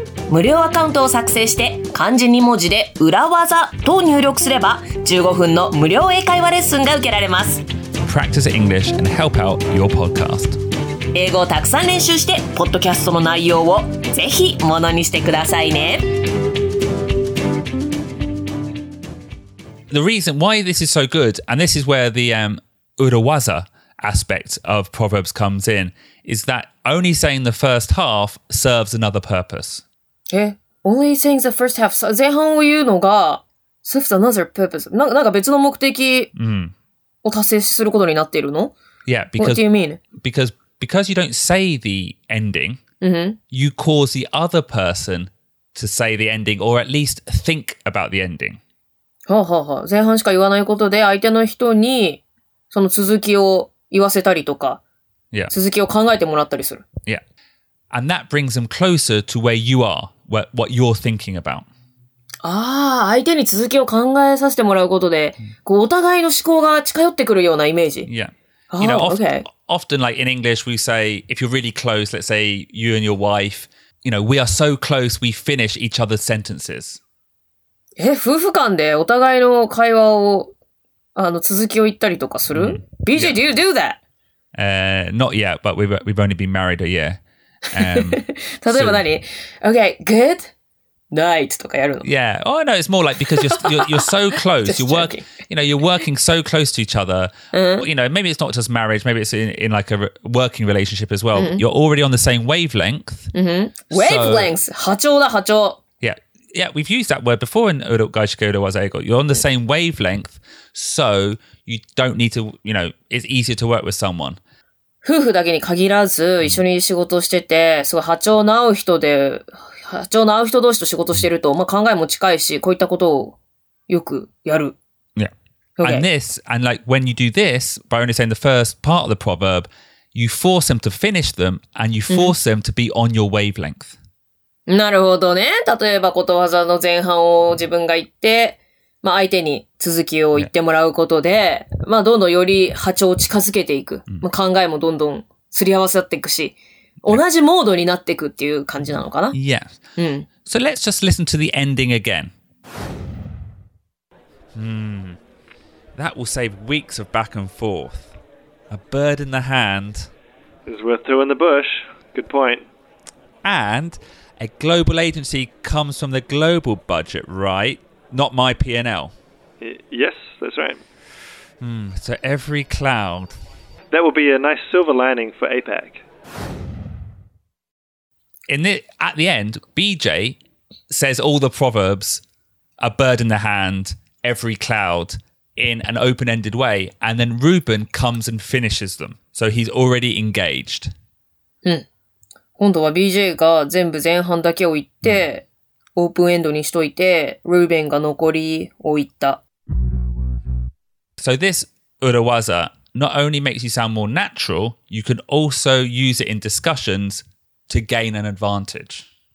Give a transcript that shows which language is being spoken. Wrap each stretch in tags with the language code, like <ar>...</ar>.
<ja>無料アカウントを作成して漢字2文字で裏技と入力すれば15分の無料英会話レッスンが受けられます。</ja> <en>Practice English and help out your podcast。</en> <ja>英語をたくさん練習してポッドキャストの内容をぜひものにしてくださいね。</ja> <en>The reason why this is so good, and this is where the urawaza aspect of proverbs comes in, is that only saying the first half serves another purpose. Only saying the first half,</en> <ja>前半を言うのが</ja> <en>serves another purpose.</en> <ja>なんか別の目的を達成することになっているの？</ja> <en>Yeah, because, what do you mean? Because you don't say the ending, you cause the other person to say the ending, or at least think about the ending.</en> <ja>はあはあ、前半しか言わないことで相手の人にその続きを言わせたりとか、続きを考えてもらったりする。</ja> <en>Yeah. And that brings them closer to where you are, what you're thinking about.</en> <ja>ああ、相手に続きを考えさせてもらうことで、こうお互いの思考が近寄ってくるようなイメージ。</ja> <en>Yeah. You know, often like in English, we say, if you're really close, let's say you and your wife, you know, we are so close, we finish each other's sentences.</en> <ja>夫婦間でお互いの会話をあの続きを言ったりとかする、mm.</ja> <en>BJ、yeah. do you do that?、 Not yet, but we've only been married a year、</en> <ja>例えば何、</ja> <en>so. Okay, good night</en> <ja>とかやるの。</ja> <en>Yeah, oh no, it's more like because you're so close. You're working, you know, you're working so close to each other. You know, maybe it's not just marriage, maybe it's in like a working relationship as well. You're already on the same wavelength.</en> <ja>Wavelengths, 波長だ、波長。</ja> <en>Yeah, we've used that word before in Urugaishike Uruwazaego. You're on the same wavelength, so you don't need to, you know, it's easier to work with someone.</en> <ja>夫婦だけに限らず、一緒に仕事してて、すごい波長の合う人で、波長の合う人同士と仕事してると、まあ、考えも近いし、こういったことをよくやる。</ja> <en>Yeah. Okay. And this, and like when you do this, by only saying the first part of the proverb, you force them to finish them, and you force them to be on your wavelength.</en> <ja>なるほどね。例えばことわざの前半を自分が言って、まあ相手に続きを言ってもらうことで、yeah. まあどんどんより波長を近づけていく。まあ、考えもどんどんすり合わせていくし、同じモードになっていくっていう感じなのかな。</ja> <en>Yes. So let's just listen to the ending again. That will save weeks of back and forth. A bird in the hand is worth two in the bush. Good point. And... A global agency comes from the global budget, right? Not my P&L. Yes, that's right. So every cloud. That would be a nice silver lining for APAC. At the end, BJ says all the proverbs, a bird in the hand, every cloud, in an open-ended way, and then Ruben comes and finishes them. So he's already engaged. Hmm.</en> <ja>今度は BJ が全部前半だけを言って、オープンエンドにしといて、ルーベンが残りを言った。</ja> <en>So this urawaza not only makes you sound more natural, you can also use it in discussions to gain an advantage.</en>